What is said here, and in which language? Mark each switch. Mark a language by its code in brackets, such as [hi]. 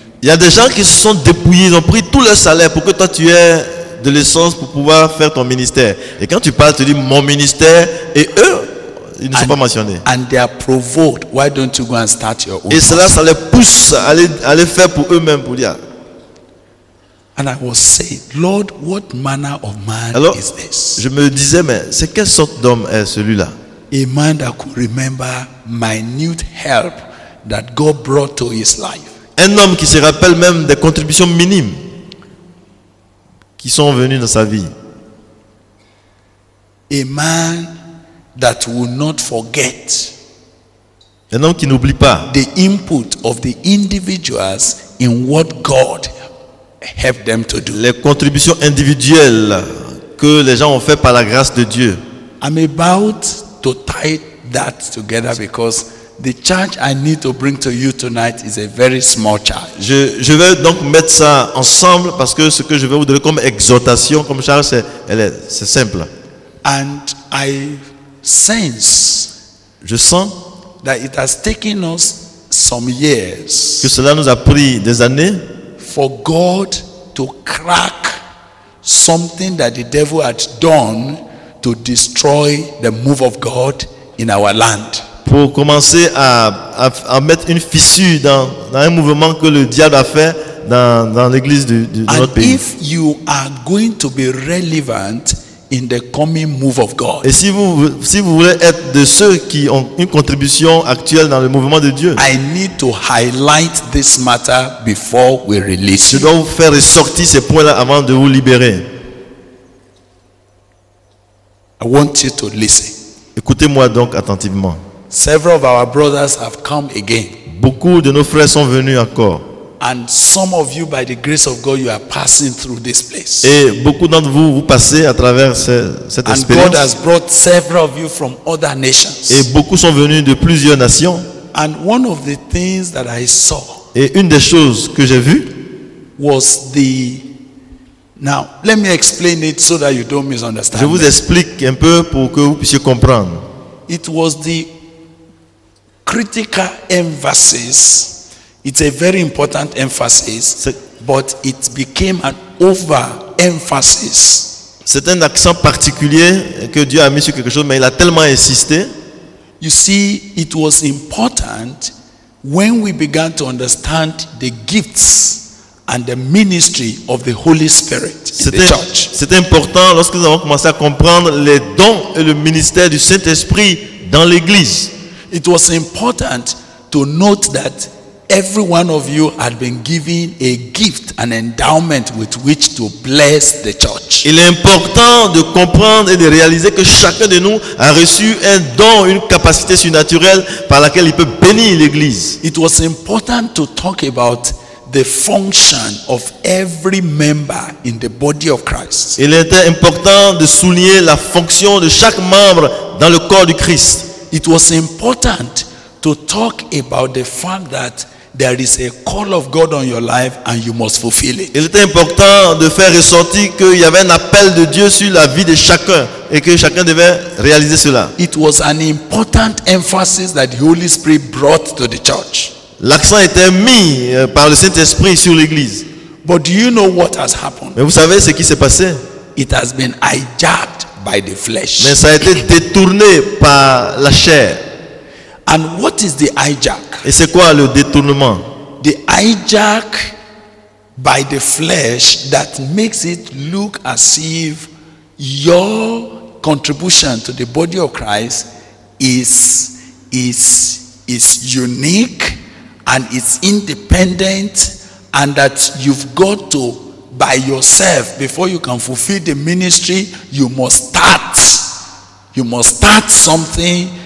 [fr] Il y a des gens qui se sont dépouillés, ils ont pris tout leur salaire pour que toi tu aies de l'essence pour pouvoir faire ton ministère. Et quand tu parles, tu dis mon ministère et eux. Ils ne sont pas mentionnés. [en] And they are provoked. Why don't you go and start your own? [fr] Et cela, ça les pousse à aller faire pour eux-mêmes pour dire. [en] And I was saying, Lord, what manner of man [fr] alors, [en] is this? [fr] Je me disais, mais c'est quelle sorte d'homme est celui-là? [en] A man that could remember minute help that God brought to his life. [fr] Un homme qui se rappelle même des contributions minimes qui sont venues dans sa vie. [en] A man that will not forget. [fr] Un homme qui n'oublie pas. [en] The input of the individuals in what God helped them to do. [fr] Les contributions individuelles que les gens ont fait par la grâce de Dieu. [en] I'm about to tie that together because the charge I need to bring to you tonight is a very small charge. [fr] Je vais donc mettre ça ensemble parce que ce que je vais vous donner comme exhortation, comme charge, c'est simple. [en] And I sense, [fr] je sens [en] that it has taken us some years [fr] que cela nous a pris des années [en] for God to crack something that the devil had done to destroy the move of God in our land. [fr] Pour commencer à mettre une fissure dans un mouvement que le diable a fait dans l'église de notre pays. [en] If you are going to be relevant in the coming move of God. [fr] Et si vous voulez être de ceux qui ont une contribution actuelle dans le mouvement de Dieu, [en] I need to highlight this matter before we release. [fr] Je dois vous faire ressortir ces points-là avant de vous libérer. [en] I want you to listen. [fr] Écoutez-moi donc attentivement. [en] Several of our brothers have come again. [fr] Beaucoup de nos frères sont venus encore. [en] And some of you, by the grace of God, you are passing through this place. [fr] Et beaucoup d'entre vous, vous passez à travers cette [en] and [fr] expérience. [en] And God has brought several of you from other nations. [fr] Et beaucoup sont venus de plusieurs nations. [en] And one of the things that I saw. [fr] Et une des choses que j'ai vues [en] was the. Now, let me explain it so that you don't misunderstand. [fr] Je vous explique un peu pour que vous puissiez comprendre. [en] It was the critical emphasis. It's a very important emphasis, but it became an overemphasis. [fr] C'est un accent particulier que Dieu a mis sur quelque chose, mais il a tellement insisté. [en] You see, it was important when we began to understand the gifts and the ministry of the Holy Spirit in the church. [fr] C'était important lorsque nous avons commencé à comprendre les dons et le ministère du Saint-Esprit dans l'Église. [en] It was important to note that every one of you had been given a gift, an endowment with which to bless the church. [fr] Il est important de comprendre et de réaliser que chacun de nous a reçu un don, une capacité surnaturelle par laquelle il peut bénir l'Église. [en] It was important to talk about the function of every member in the body of Christ. [fr] Il était important de souligner la fonction de chaque membre dans le corps du Christ. [en] It was important to talk about the fact that there is a call of God on your life and you must fulfill it. [fr] Il était important de faire ressortir qu'il y avait un appel de Dieu sur la vie de chacun et que chacun devait réaliser cela. [en] It was an important emphasis that the Holy Spirit brought to the church. [fr] L'accent était mis par le Saint-Esprit sur l'Église. [en] But do you know what has happened? [fr] Mais vous savez ce qui s'est passé? [en] It has been hijacked by the flesh. [fr] Mais ça a été détourné par la chair. [en] And what is the hijack? [fr] Et c'est quoi le détournement? [en] The hijack by the flesh that makes it look as if your contribution to the body of Christ is unique and it's independent and that you've got to by yourself before you can fulfill the ministry, you must start something.